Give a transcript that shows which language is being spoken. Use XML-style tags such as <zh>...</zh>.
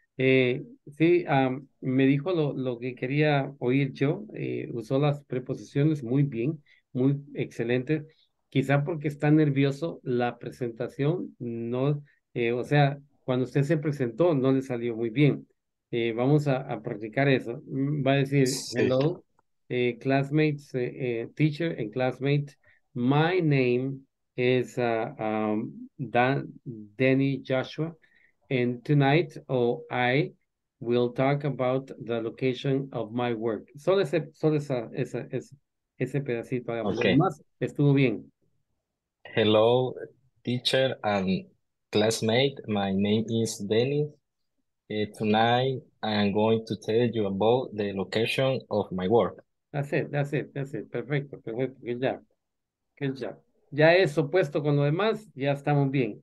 <es>Sí, me dijo lo que quería oír yo, usó las preposiciones muy bien, muy excelente. Quizá porque está nervioso, la presentación no, o sea, cuando usted se presentó no le salió muy bien. Vamos a practicar eso. Va a decir, sí.</es> <en>Hello, classmates, teacher and classmate, my name is Danny Joshua. And tonight, I will talk about the location of my work.</en> <es>Solo ese pedacito. Okay. Más estuvo bien.</es> <en>Hello, teacher and classmate. My name is Danny. Tonight, I am going to tell you about the location of my work. That's it.</en> <es>Perfecto.</es> <en>Good job.</en> <es>Ya eso puesto con lo demás, ya estamos bien.</es>